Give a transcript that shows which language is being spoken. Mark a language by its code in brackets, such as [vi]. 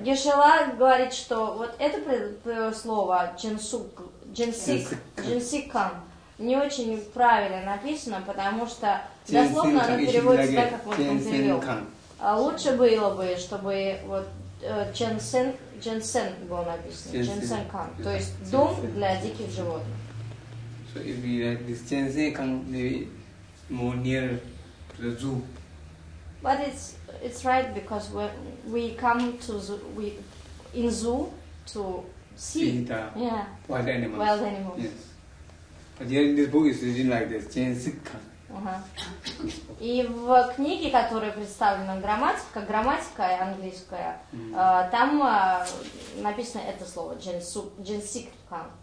[ru] Гешала говорит, что вот это слово Jinsukan не очень правильно написано, потому что дословно оно переводится так, как вот он перевел. А лучше было бы, чтобы вот Jensen было написано. Jensen Kang. То есть дом для диких животных. [en] So if we like this Jensen Kang, maybe more near to the zoo. But it's right because when we come to zoo, we in zoo to see wild animals. Wild animals. Yes. But here in this book it's written like this, Jensika. [ru] И в книге, которая представлена грамматика английская, там написано это слово, Jensika.